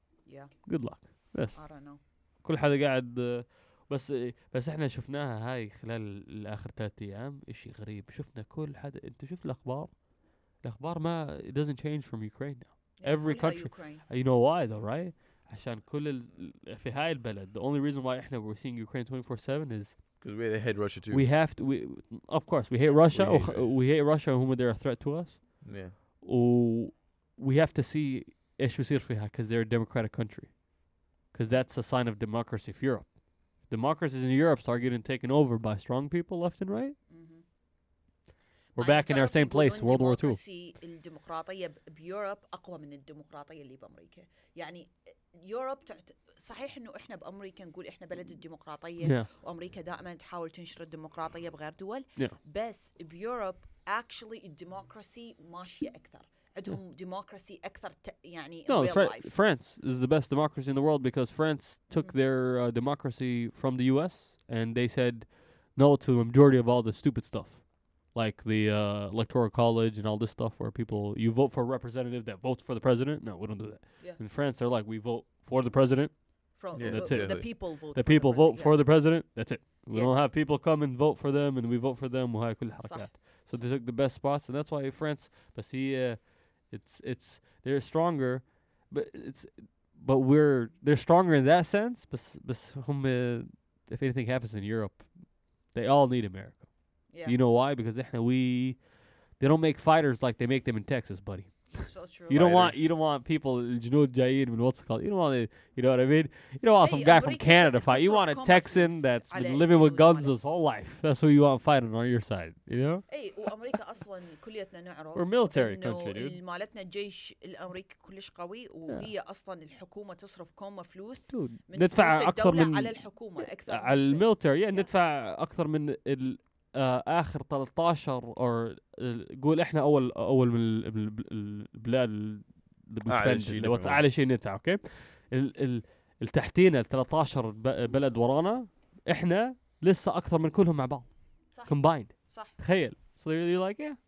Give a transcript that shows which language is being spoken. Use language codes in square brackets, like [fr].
[en] Yeah. Good luck. بس. I don't know. [ar] كل حدا قاعد بس إحنا شفناها هاي خلال الآخر 3 أيام إشي غريب شفنا كل حدا أنت شوف الأخبار ما [en] it doesn't change from Ukraine now. Every country, you know why though, right? [ar] عشان كل ال في هاي البلد. [en] The only reason why إحنا we're seeing Ukraine 24/7 is because we hate Russia too. We have to. We of course we hate Russia. We hate Russia. Whom they're a threat to us. Yeah. We have to see [ar] إيش بيصير فيها [en] because they're a democratic country. Because that's a sign of democracy for Europe. Democracies in Europe start getting taken over by strong people left and right. We're back in our same place, World War II. [ar] الديمقراطية بأوروبا أقوى من الديمقراطية اللي بأمريكا. يعني يوروب صحيح إنه إحنا بأمريكا نقول إحنا بلد الديمقراطية وأمريكا دائما تحاول تنشر الديمقراطية بغير دول. بس بأوروبا actually الديمقراطية ماشية أكثر. عندهم ديمقراطية أكثر يعني. [en] No, France is the best democracy in the world because France took their democracy from the U.S. and they said no to the majority of all the stupid stuff. Like the electoral college and all this stuff where people, you vote for a representative that votes for the president. No, we don't do that. Yeah. In France, they're like, we vote for the president. The people vote. The people vote for the president. That's it. We don't have people come and vote for them and we vote for them. So they took the best spots. And that's why France, they're stronger. They're stronger in that sense. If anything happens in Europe, they all need America. Yeah. You know why? Because they don't make fighters like they make them in Texas, buddy. So true. You don't want people [ar] جنود جايين من [en] what's it called? You know what I mean? You don't want some guy from Canada fight. You want a Texan that's been living with guns his whole life. That's who you want fighting on your side. You know? [ar] أي وأمريكا أصلاً كليتنا نعرف. [en] We're military country, dude. [ar] مالتنا الجيش الأمريكي كلش قوي وهي أصلاً الحكومة تصرف كم فلوس. ندفع أكثر من على الحكومة أكثر. على الميلتري يعني ندفع أكثر من ال. آخر 13 أو قول إحنا أول من البلاد اللي بنسبنج أعلى شيء نتاع أوكي التحتينة 13 بلد ورانا إحنا لسه أكثر من كلهم مع بعض combined تخيل [en] so you're like